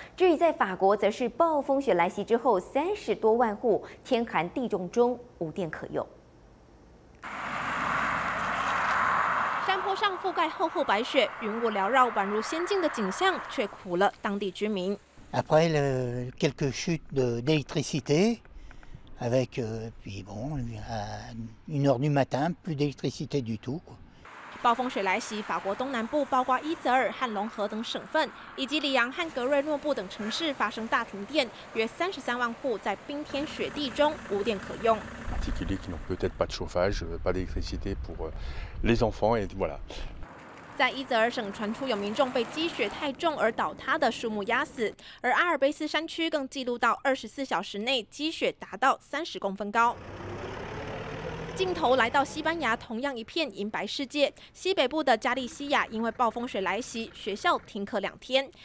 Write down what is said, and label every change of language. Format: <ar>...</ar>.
<zh>至于在法国，则是暴风雪来袭之后，30多万户天寒地冻中无电可用。山坡上覆盖厚厚白雪，云雾缭绕，宛如仙境的景象，却苦了当地居民。</zh> <fr>Après le quelques chutes d'électricité, avec puis bon, à une heure du matin, plus d'électricité du tout.</fr> <zh>暴风雪来袭，法国东南部包括伊泽尔和龙河等省份，以及里昂和格瑞诺布等城市发生大停电，约33万户在冰天雪地中无电可用。</zh> <fr>Particuliers qui n'ont peut-être pas de chauffage, pas d'électricité pour les enfants et voilà.</fr> <zh>在伊泽尔省传出有民众被积雪太重而倒塌的树木压死，而阿尔卑斯山区更记录到24小时内积雪达到30公分高。镜头来到西班牙，同样一片银白世界。西北部的加利西亚因为暴风雪来袭，学校停课2天。</zh>